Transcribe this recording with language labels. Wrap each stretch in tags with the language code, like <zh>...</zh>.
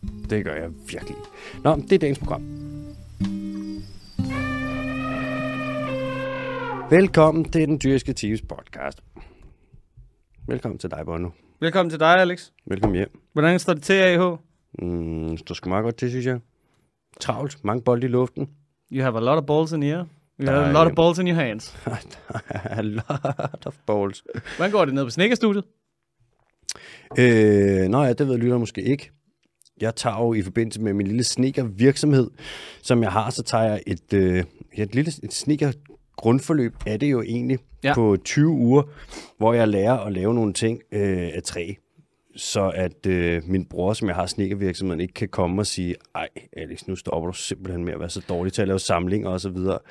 <da>Det gør jeg virkelig. Nå, det er dagens program. Velkommen til Den Dyriske Teams podcast. Velkommen til dig, Bono. Velkommen til dig, Alex. Velkommen hjem. Hvordan står det til, AH? Står sgu meget godt til, synes jeg. Travlt. Mange bolde i luften.</da> <en>You have a lot of balls in here. You have a lot of balls in your hands. A lot of balls.</en> <da>Hvordan går det ned på snikkerstudiet? Nej, det ved lytter måske ikke. Jeg tager jo i forbindelse med min lille sneaker-virksomhed, som jeg har, så tager jeg et lille sneaker-grundforløb, er det jo egentlig, ja, på 20 uger, hvor jeg lærer at lave nogle ting af træ, så at min bror, som jeg har sneaker-virksomheden, ikke kan komme og sige, ej Alex, nu stopper du simpelthen med at være så dårlig til at lave samlinger osv.</da>